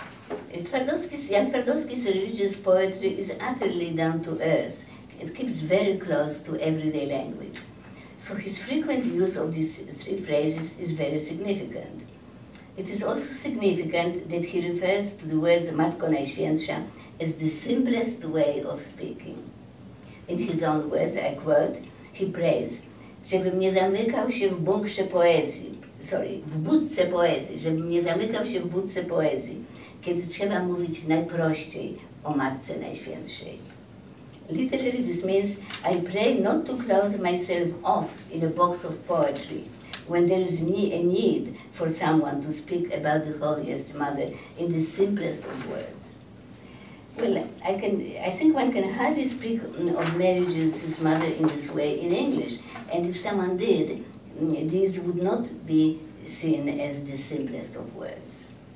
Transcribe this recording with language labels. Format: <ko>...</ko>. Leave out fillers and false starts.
<en>Jan Twardowski's religious poetry is utterly down to earth. It keeps very close to everyday language. So his frequent use of these three phrases is very significant. It is also significant that he refers to the words</en> <pl>Matko Najświętsza</pl> <en>as the simplest way of speaking. In his own words, I quote, he prays,</en> <pl>żebym nie zamykał się w bunkrze poezji,</pl> <en>sorry,</en> <pl>w budce poezji, żebym nie zamykał się w budce poezji, kiedy trzeba mówić najprościej o Matce Najświętszej.</pl> <en>Literally, this means I pray not to close myself off in a box of poetry when there is a need for someone to speak about the Holiest Mother in the simplest of words. Well, I think one can hardly speak of Mary Jesus' mother in this way in English, and if someone did, these would not be seen as the simplest of words.</en>